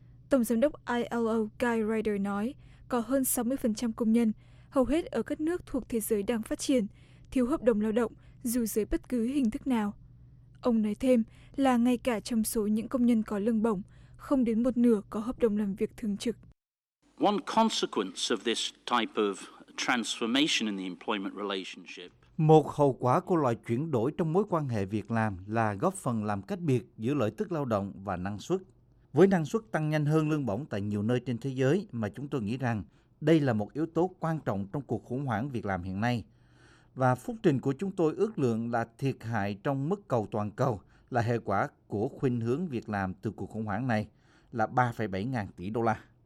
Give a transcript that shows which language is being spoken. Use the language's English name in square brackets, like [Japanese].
[Vietnamese] Tổng giám đốc ILO Guy Ryder nói, có hơn 60% công nhân, hầu hết ở các nước thuộc thế giới đang phát triển, thiếu hợp đồng lao động dù dưới bất cứ hình thức nào. Ông nói thêm là ngay cả trong số những công nhân có lương bổng, không đến một nửa có hợp đồng làm việc thường trực. [English] One consequence of this type of transformation in the employment relationship. [Vietnamese] Một hậu quả của loại chuyển đổi trong mối quan hệ việc làm là góp phần làm cách biệt giữa lợi tức lao động và năng suất. Với năng suất tăng nhanh hơn lương bổng tại nhiều nơi trên thế giới mà chúng tôi nghĩ rằng đây là một yếu tố quan trọng trong cuộc khủng hoảng việc làm hiện nay. Và phúc trình của chúng tôi ước lượng là thiệt hại trong mức cầu toàn cầu là hệ quả của khuynh hướng việc làm từ cuộc khủng hoảng này là 3,7 ngàn tỷ đô la.